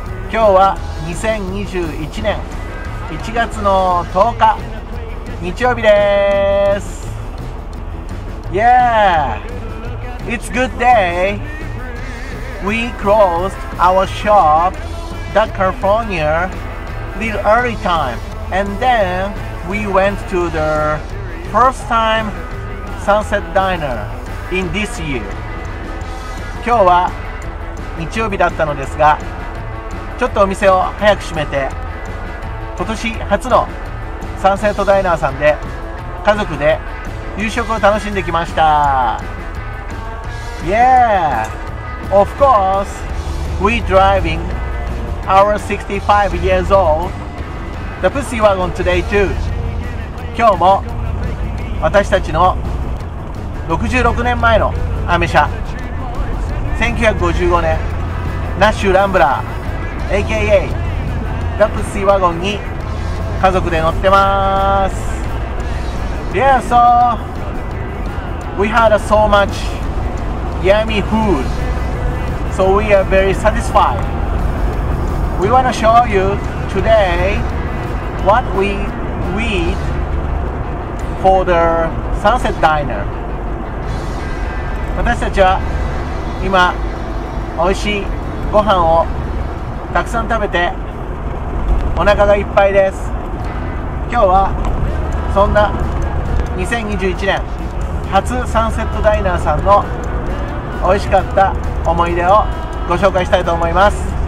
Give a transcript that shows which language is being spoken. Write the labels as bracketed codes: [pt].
[ja] 今日は2021年1月の10日日曜日です。 [en] Yeah! It's good day! We closed our shop the California little early time and then we went to the first time sunset diner in this year. [ja] 今日は日曜日だったのですが、ちょっとお店を早く閉めて今年初のサンセットダイナーさんで家族で夕食を楽しんできました。 [en] Yeah! Of course we driving our 65 years old the Pussy Wagon today too. [ja] 今日も私たちの66年前のアメ車、1955年 Nash Rambler AKA the Pussy Wagon に家族で乗ってます。 [en] Yeah, so we had so much yummy food, so we are very satisfied. We want to show you today what we eat for the sunset diner. [ja] 私たちは今美味しいご飯をたくさん食べてお腹がいっぱいです。今日はそんな2021年初サンセットダイナーさんの美味しかった思い出をご紹介したいと思います。